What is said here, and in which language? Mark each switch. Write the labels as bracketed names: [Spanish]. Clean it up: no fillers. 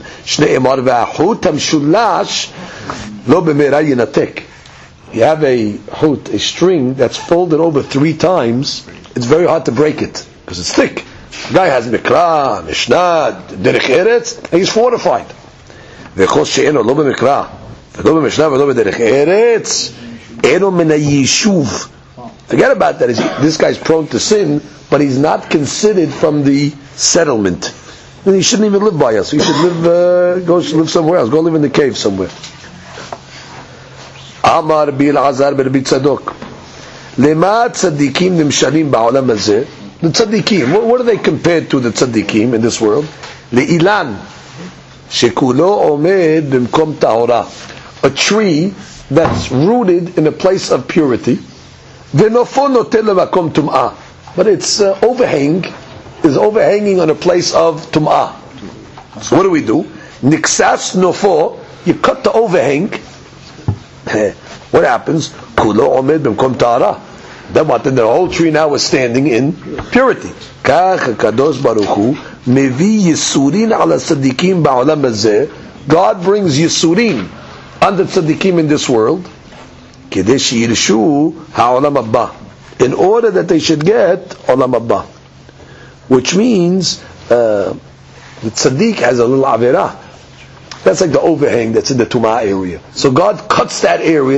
[Hebrew] Shnei emar v'ahut hamshulash lo b'merah yinatek. [English] You have a hut, a string that's folded over three times. It's very hard to break it because it's thick. The guy has Mikra, Mishnah, Derech Eretz, and he's fortified. [Hebrew] וכל שאינו לא במקרא ולא במשנה ולא בדרך ארץ אינו מן היישוב. [English] Forget about that. This guy is prone to sin, but he's not considered from the settlement. He shouldn't even live by us. He should live go live somewhere else. Go live in the cave somewhere. [Hebrew] אמר רבי אלעזר ברבי צדוק, למה הצדיקים נמשלים בעולם הזה? [English] The צדיקים, what are they compared to, the צדיקים in this world? [Hebrew] לאילן שכולו עומד במקום טהורה. [English] A tree that's rooted in a place of purity. [Hebrew] ונופו נוטה למקום טומאה. [English] But its overhang is overhanging on a place of טומאה. So what do we do? [Hebrew] נקסס נופו, [English] you cut the overhang. What happens? [Hebrew] כולו עומד במקום טהורה. [English] Then what? Then the whole tree now is standing in purity. [Hebrew] כך הקדוש ברוך הוא מביא יסורין על הצדיקים בעולם הזה. [English] God brings יסורין on the tzaddikim in this world [Hebrew] כדי שירשו העולם הבא, [English] in order that they should get עולם הבא. Which means the tzaddik has a little avera. That's like the overhang that's in the tumah area. So God cuts that area.